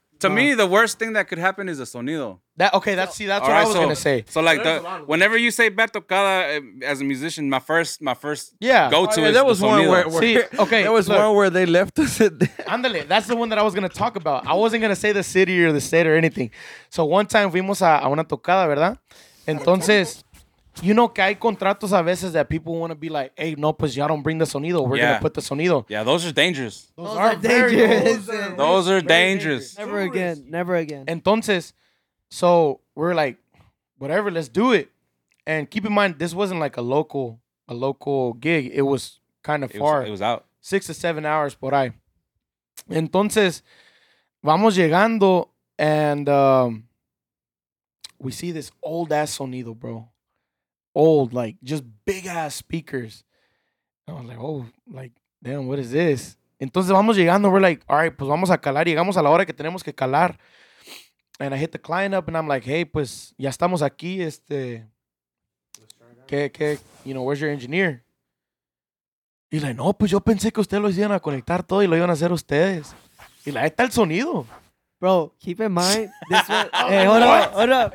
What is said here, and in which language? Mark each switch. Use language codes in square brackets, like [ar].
[en] To me, the worst thing that could happen is a sonido. That's what I was gonna say. So like whenever you say Beto Cala as a musician, my first go to is the sonido. There was one where they left us. Ándale, that's the one that I was gonna talk about. I wasn't gonna say the city or the state or anything. So one time [es] fuimos a una tocada, ¿verdad? Entonces, [en] you know [es] que hay contratos a veces [en] that people wanna be like, hey, no, [es] pues [en] y'all don't bring the sonido. We're gonna put the sonido. Yeah, those are dangerous. Those are dangerous. Never again. [es] Entonces. [en] So we're like, whatever, let's do it. And keep in mind, this wasn't like a local gig. It was kind of far. It was out. 6 to 7 hours [es] por ahí. Entonces, vamos llegando [en] and we see this old ass sonido, bro. Old, like just big ass speakers. And I was like, oh, like, damn, what is this? [es] Entonces, vamos llegando. [en] We're like, all right, [es] pues vamos a calar. Llegamos a la hora que tenemos que calar. [en] And I hit the client up, and I'm like, hey, [es] pues, ya estamos aquí, [en] where's your engineer? [es] He's like, no, pues, yo pensé que ustedes lo iban a conectar todo y lo iban a hacer ustedes. Y [en] like, [es] ahí está el sonido. [en] Bro, keep in mind, this was, hold up.